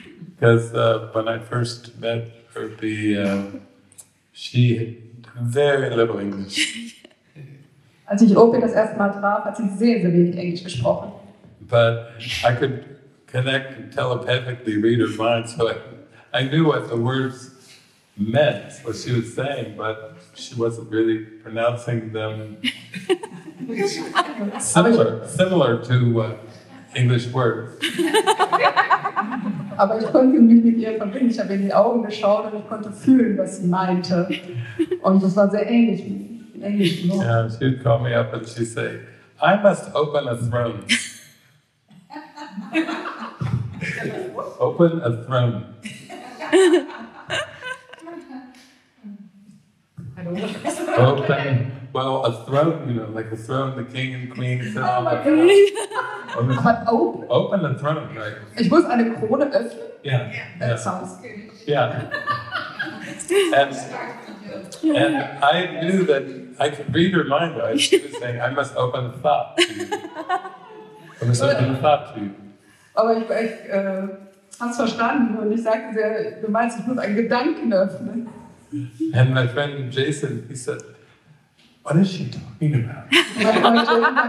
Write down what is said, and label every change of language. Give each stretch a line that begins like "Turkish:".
English: Because when I first met Irby, she had very little English.
German: Als ich Opie das erste Mal traf, hat sie sehr, sehr wenig Englisch gesprochen.
English: But I could connect telepathically read her mind, so I knew what the words meant, what she was saying, but she wasn't really pronouncing them similar to English words.
German: aber ich konnte mich mit ihr verbinden. Ich habe in die Augen geschaut und ich konnte fühlen, was sie meinte. Und das war sehr ähnlich.
English: Yeah, she'd call me up and she'd say, I must open a throne. Open a throne. Open, well, a throne, you know, like a throne, the king and queen sit on the throne. Open a throne, right?
German: Ich muss eine Krone öffnen?
English: Yeah. That sounds good. Yeah. And I knew that I could read her mind, right? She was saying, I must open the thought to you. I must open the thought to you.
German: Aber ich hab's verstanden und ich sagte sehr, du meinst, ich muss einen Gedanken öffnen.
English: And my friend Jason, he said, what is she talking about?